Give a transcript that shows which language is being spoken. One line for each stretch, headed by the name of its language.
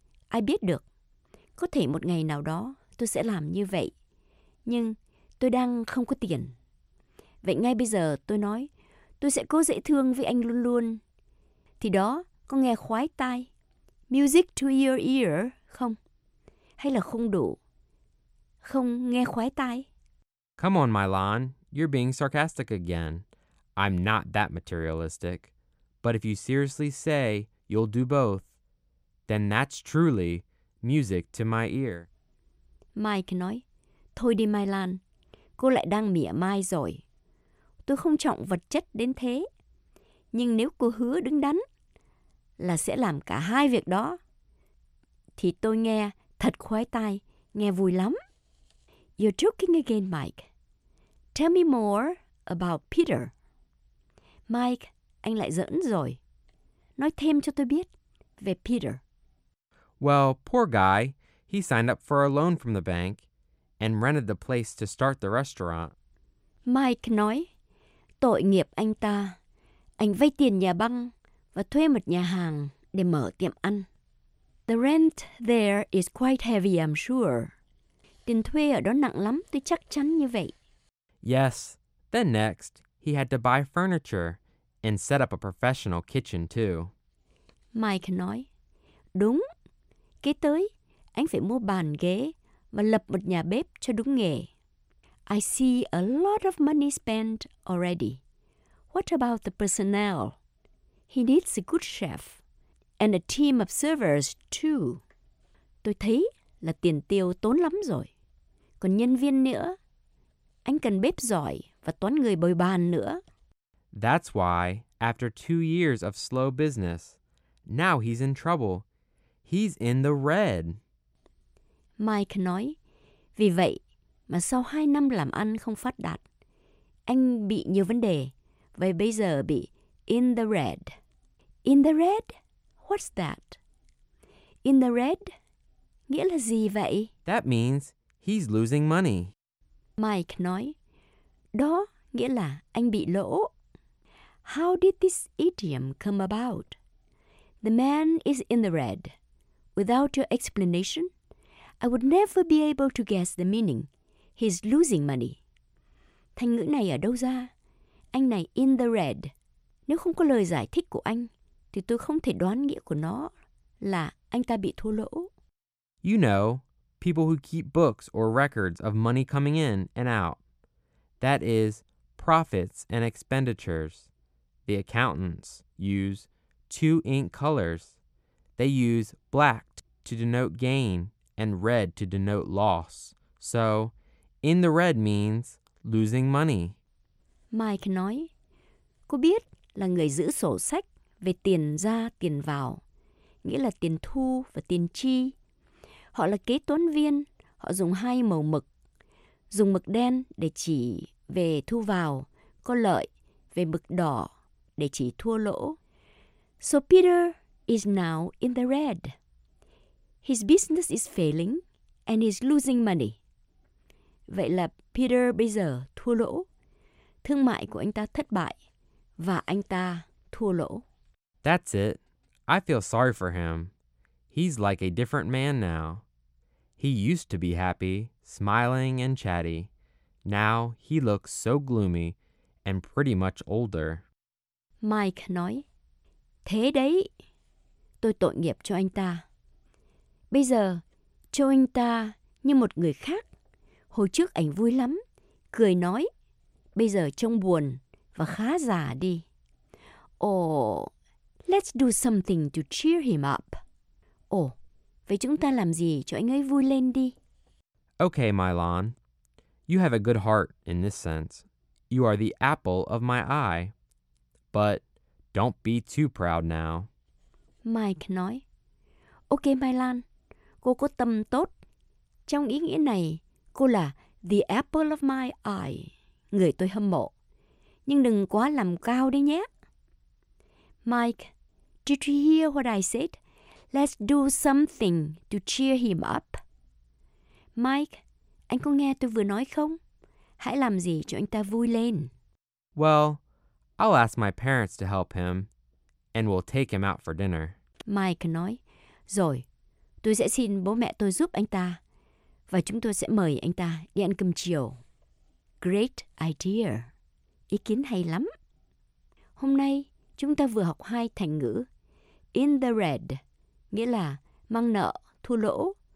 Vietnamese: Ai biết được, có thể một ngày nào đó tôi sẽ làm như vậy. Nhưng tôi đang không có tiền. Vậy ngay bây giờ tôi nói, tôi sẽ cố dễ thương với anh luôn luôn. Thì đó có nghe khoái tai,
English: music to your ear
Vietnamese: không? Hay là không đủ, không nghe khoái tai?
English: Come on, Mylon, you're being sarcastic again. I'm not that materialistic. But if you seriously say you'll do both, then that's truly music to my ear.
Vietnamese: Mike nói, thôi đi Mylon, cô lại đang mỉa mai rồi. Tôi không trọng vật chất đến thế. Nhưng nếu cô hứa đứng đắn là sẽ làm cả hai việc đó, thì tôi nghe thật khoái tai, nghe vui lắm.
English: You're joking again, Mike. Tell me more about Peter.
Vietnamese: Mike, anh lại giỡn rồi. Nói thêm cho tôi biết về Peter.
English: Well, poor guy. He signed up for a loan from the bank and rented the place to start the restaurant.
Vietnamese: Mike nói, tội nghiệp anh ta. Anh vay tiền nhà băng và thuê một nhà hàng để mở tiệm ăn.
English: The rent there is quite heavy, I'm sure.
Vietnamese: Tiền thuê ở đó nặng lắm, tôi chắc chắn như vậy.
English: Yes. Then next, he had to buy furniture and set up a professional kitchen too.
Vietnamese: Mike nói, đúng. Kế tới, anh phải mua bàn ghế và lập một nhà bếp cho đúng nghề.
English: I see a lot of money spent already. What about the personnel? He needs a good chef and a team of servers too.
Vietnamese: Tôi thấy là tiền tiêu tốn lắm rồi. Còn nhân viên nữa. Anh cần bếp giỏi và toán người bồi bàn nữa.
English: That's why, after 2 years of slow business, now he's in trouble. He's in the red.
Vietnamese: Mike nói, vì vậy mà sau 2 năm làm ăn không phát đạt, anh bị nhiều vấn đề, và bây giờ bị
English: in the red. In the red? What's that? In the red?
Vietnamese: Nghĩa là gì vậy?
English: That means he's losing money.
Vietnamese: Mike nói, đó nghĩa là anh bị lỗ.
English: How did this idiom come about? The man is in the red. Without your explanation, I would never be able to guess the meaning. He's losing money.
Vietnamese: Thành ngữ này ở đâu ra? Anh này
English: in the red.
Vietnamese: Nếu không có lời giải thích của anh, thì tôi không thể đoán nghĩa của nó là anh ta bị thua lỗ.
English: You know, people who keep books or records of money coming in and out. That is, profits and expenditures. The accountants use 2 ink colors. They use black to denote gain and red to denote loss. So, in the red means losing money.
Vietnamese: Mike nói, cô biết là người giữ sổ sách về tiền ra tiền vào, nghĩa là tiền thu và tiền chi. Họ là kế toán viên, họ dùng 2 màu mực. Dùng mực đen để chỉ về thu vào, có lợi, về mực đỏ để chỉ thua lỗ.
English: So Peter is now in the red. His business is failing and he's losing money.
Vietnamese: Vậy là Peter bây giờ thua lỗ. Thương mại của anh ta thất bại và anh ta thua lỗ.
English: That's it. I feel sorry for him. He's like a different man now. He used to be happy, smiling and chatty. Now he looks so gloomy and pretty much older.
Vietnamese: Mike nói, thế đấy, tôi tội nghiệp cho anh ta. Bây giờ, cho anh ta như một người khác. Hồi trước anh vui lắm, cười nói. Bây giờ trông buồn và khá già đi.
English: Oh, let's do something to cheer him up.
Vietnamese: Oh, vậy chúng ta làm gì cho anh ấy vui lên đi?
English: Okay, Mylon. You have a good heart in this sense. You are the apple of my eye. But don't be too proud now.
Vietnamese: Mike nói, okay, Mylon, cô có tâm tốt. Trong ý nghĩa này, cô là
English: the apple of my eye.
Vietnamese: Người tôi hâm mộ. Nhưng đừng quá làm cao đấy nhé.
English: Mike, did you hear what I said? Let's do something to cheer him up.
Vietnamese: Mike, anh có nghe tôi vừa nói không? Hãy làm gì cho anh ta vui lên.
English: Well, I'll ask my parents to help him and we'll take him out for dinner.
Vietnamese: Mike nói, rồi, tôi sẽ xin bố mẹ tôi giúp anh ta, và chúng tôi sẽ mời anh ta đi ăn cơm chiều.
English: Great idea.
Vietnamese: Ý kiến hay lắm. Hôm nay, chúng ta vừa học hai thành ngữ.
English: In the red,
Vietnamese: nghĩa là mang nợ, thua lỗ.